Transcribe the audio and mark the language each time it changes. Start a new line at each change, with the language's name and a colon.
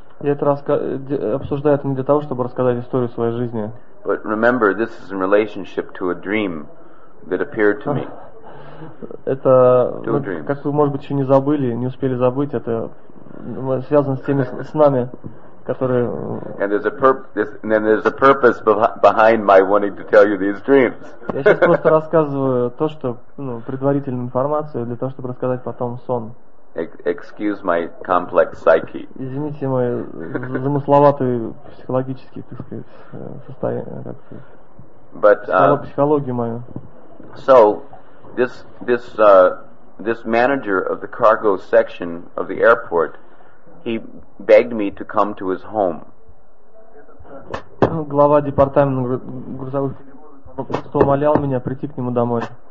Russian: Я это обсуждаю это не для того, чтобы рассказать историю своей жизни.
English: But remember, this is in relationship to a dream that appeared to me.
Russian: Это, как вы, может быть, еще не забыли, не успели забыть, это связано с теми снами, которые...
English: And there's a purpose behind my wanting to tell you these dreams.
Russian: Я сейчас просто рассказываю то, что, ну, предварительную информацию, для того, чтобы рассказать потом сон.
English: Excuse my complex psyche.
Russian: Извините мой замысловатый психологический, так сказать, состояние, как сказать, психологию мою.
English: So, this manager of the cargo section of the airport, he begged me to come to his home.
Russian: Глава департамента грузовых просто умолял меня прийти к нему домой.